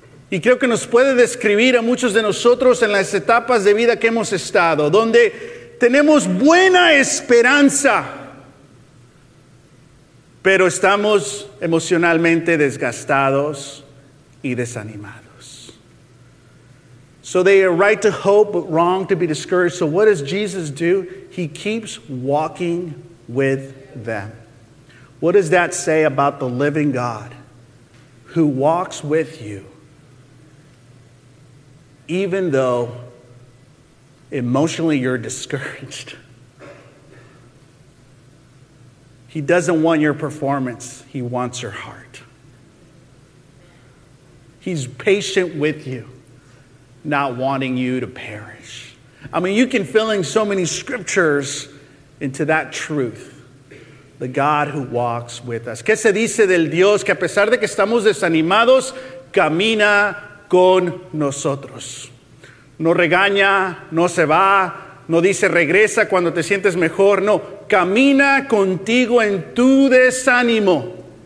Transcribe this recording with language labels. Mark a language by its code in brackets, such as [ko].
[es] Y creo que nos puede describir a muchos de nosotros en las etapas de vida que hemos estado, donde tenemos buena esperanza, pero estamos emocionalmente desgastados y desanimados. [en] So they are right to hope, but wrong to be discouraged. So what does Jesus do? He keeps walking with them. What does that say about the living God who walks with you, even though emotionally you're discouraged? He doesn't want your performance. He wants your heart. He's patient with you, not wanting you to perish. I mean, you can fill in so many scriptures into that truth. The God who walks with us. [es] ¿Qué se dice del Dios que a pesar de que estamos desanimados, camina con nosotros? No regaña, no se va. No dice regresa cuando te sientes mejor. No, camina contigo en tu desánimo.